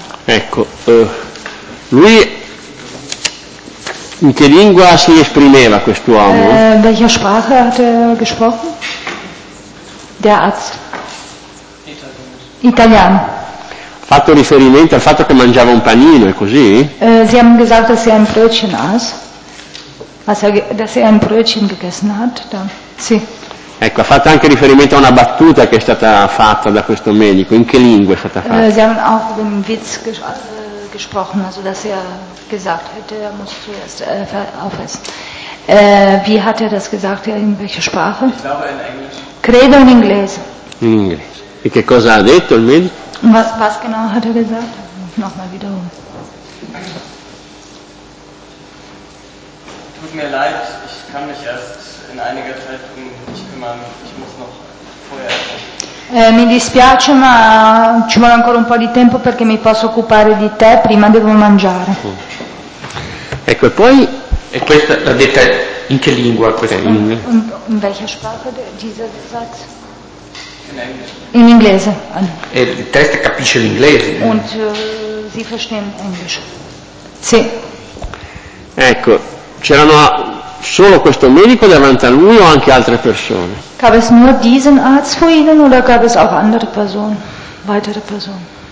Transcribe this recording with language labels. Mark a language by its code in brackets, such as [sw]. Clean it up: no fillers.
[it] Ecco, lui in che lingua si esprimeva quest'uomo? [de] Welche Sprache hat er gesprochen? Der Arzt. [it] Italiano. Fatto riferimento al fatto che mangiava un panino, è così? [de] Sie haben gesagt, dass er ein Brötchen aß. Dass er ein Brötchen gegessen hat. [it] Sì. Ecco, ha fatto anche riferimento a una battuta che è stata fatta da questo medico. In che lingua è stata fatta? [de] Sie haben auch den Witz gesprochen, also dass er gesagt hätte, er muss zuerst aufessen. Wie hat er das gesagt? In welcher Sprache? Ich glaube in Englisch. [it] Credo in inglese. In inglese. E che cosa ha detto il medico? [de] Was genau hat er gesagt? Nochmal wiederholen. Tut mir leid, ich kann mich erst in einiger Zeit um mich kümmern. Ich muss noch vorher. [it] Mi dispiace, ma ci vuole ancora un po' di tempo perché mi posso occupare di te. Prima devo mangiare. Ecco, e poi. E questa l'ha detta in che lingua? [de] In welcher Sprache dieser Satz? [it] In inglese. E il test capisce l'inglese. [de] Und sie verstehen Englisch. [it] Sì. Ecco, C'erano solo questo medico davanti a lui o anche altre persone? [de] Gab es nur diesen Arzt vor ihnen oder gab es auch andere Personen, weitere Personen?